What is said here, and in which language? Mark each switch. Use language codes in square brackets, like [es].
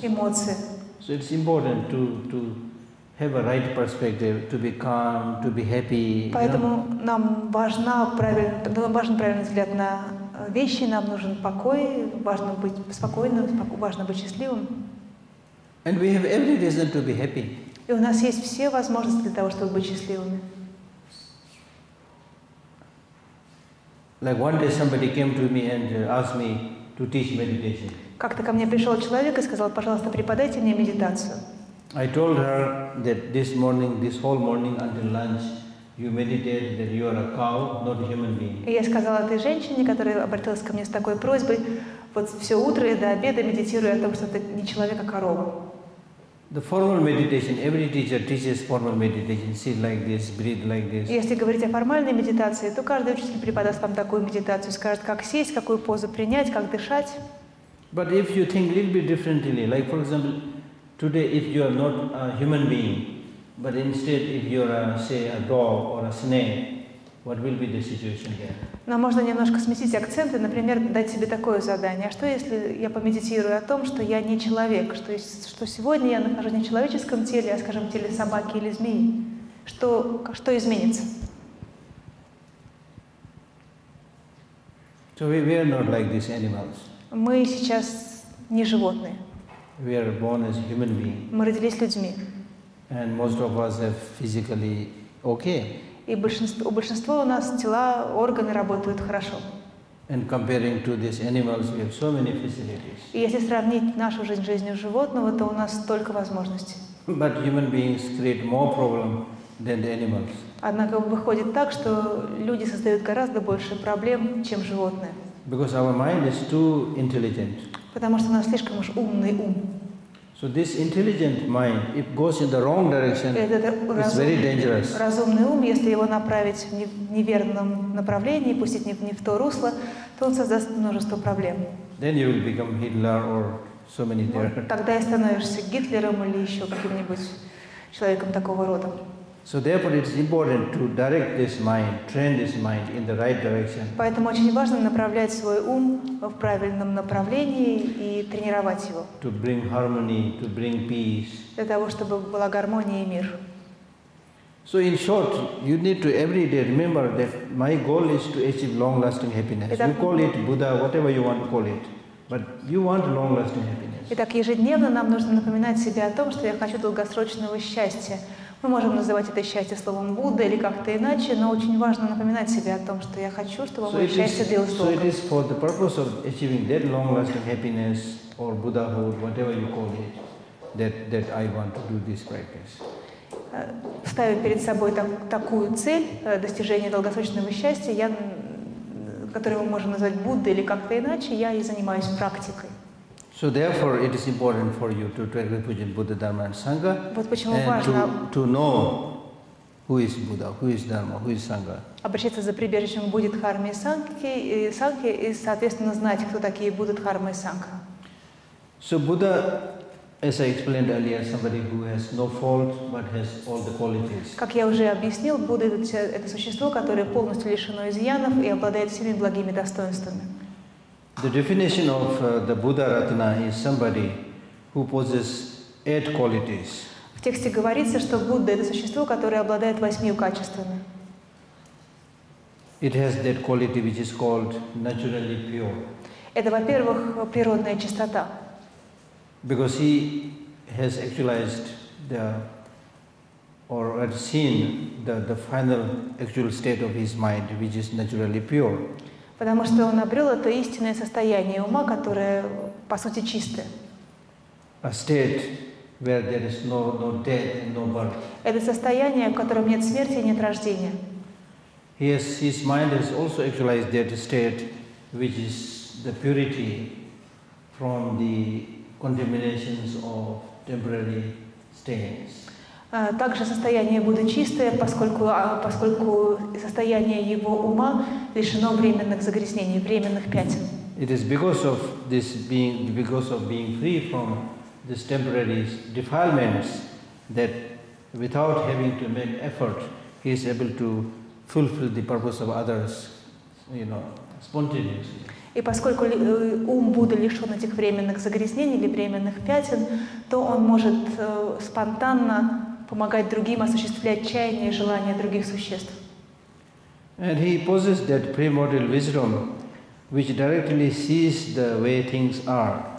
[ru] Эмоции. [en] So it's important to have a right perspective, to be calm, to be happy. [ru] Поэтому нам важен правильный взгляд на вещи, нам нужен покой, важно быть спокойным, важно быть счастливым. [en] And we have every reason to be happy. [ru] И у нас есть все возможности для того, чтобы быть счастливыми. [en] Like one day somebody came to me and asked me to teach meditation. [ru] Как-то ко мне пришел человек и сказал: пожалуйста, преподайте мне медитацию. [en] I told her that this morning, this whole morning until lunch, you meditate that you are a cow, not a human being. [ru] И я сказала этой женщине, которая обратилась ко мне с такой просьбой: вот все утро и до обеда медитирую о том, что ты не человек, а корова. [en] The formal meditation, every teacher teaches formal meditation, sit like this, breathe like this. [ru] Если говорить о формальной медитации, то каждый учитель преподаст вам такую медитацию, скажет, как сесть, какую позу принять, как дышать. [en] But if you think a little bit differently, like for example, today if you are not a human being, but instead if you are, say, a dog or a snake, what will be the situation here? [ru] Но можно немножко сместить акценты, например, дать себе такое задание. А что, если я помедитирую о том, что я не человек? То есть, что сегодня я нахожусь не в человеческом теле, а, скажем, в теле собаки или змеи? Что изменится? [en] So we are not like these animals. [ru] Мы сейчас не животные. [en] We are born as human beings. [ru] Мы родились людьми. [en] And most of us are physically okay. [ru] И у большинства у нас тела, органы работают хорошо. [en] And comparing to these animals, we have so many facilities. [ru] И если сравнить нашу жизнь с жизнью животного, то у нас столько возможностей. [en] But human beings create more problem than the animals. [ru] Однако выходит так, что люди создают гораздо больше проблем, чем животные. [en] Because our mind is too intelligent. [ru] Потому что у нас слишком уж умный ум. [en] So this intelligent mind, if goes in the wrong direction, it's very dangerous. [ru] Разумный ум, если его направить в неверном направлении, пустить не в то русло, то он создаст множество проблем. [en] Then you will become Hitler or so many [ru] Тогда и становишься Гитлером или еще каким-нибудь человеком такого рода. [en] So therefore, it is important to direct this mind, train this mind in the right direction. [ru] Поэтому очень важно направлять свой ум в правильном направлении и тренировать его. [en] To bring harmony, to bring peace. [ru] Для того, чтобы была гармония и мир. [en] So in short, you need to every day remember that my goal is to achieve long-lasting happiness. [ru] Итак, [en] you call it Buddha, whatever you want to call it, but you want long-lasting happiness. [ru] Итак, ежедневно нам нужно напоминать себе о том, что я хочу долгосрочного счастья. Мы можем называть это счастье словом Будда или как-то иначе, но очень важно напоминать себе о том, что я хочу, чтобы мое счастье длилось долго. [en] So it is for the purpose of achieving that long-lasting happiness or Buddhahood, whatever you call it, that I want to do this practice. [ru] Ставя перед собой такую цель достижения долгосрочного счастья, которую мы можем назвать Буддой или как-то иначе, я и занимаюсь практикой. [en] So therefore, it is important for you to take refuge in Buddha, Dharma, and Sangha, вот and to know who is Buddha, who is Dharma, who is Sangha. [ru] Обращаться за прибежищем к Будде, Дхарме, Сангхе, и соответственно знать, кто такие Будда, Дхарма и Сангха. [en] So Buddha, as I explained earlier, somebody who has no fault but has all the qualities. [ru] Как я уже объяснил, Будда — это существо, которое полностью лишено изъянов и обладает всеми благими достоинствами. [en] The definition of the Buddha Ratna is somebody who possesses 8 qualities. [ru] В тексте говорится, что Будда — это существо, которое обладает 8 качествами. [en] It has that quality which is called naturally pure. [ru] Это, во-первых, природная чистота. [en] Because he has actualized the or had seen the final actual state of his mind, which is naturally pure. [ru] Потому что он обрел это истинное состояние ума, которое, по сути, чистое. [en] A state where there is no death, no birth. [ru] Это состояние, в котором нет смерти и нет рождения. [en] Yes, his mind has also actualized that state, which is the purity from the contaminations of temporary stains. [ru] Также состояние Будды чистое, поскольку состояние его ума лишено временных загрязнений, временных пятен. [en] It is because of this being, because of being free from these temporary defilements, that without having to make effort, he is able to fulfill the purpose of others, you know, spontaneously. [ru] И поскольку ум Будды лишен этих временных загрязнений или временных пятен, то он может спонтанно помогать другим осуществлять чаяния и желания других существ. [en] And he possesses that primordial wisdom, which directly sees the way things are.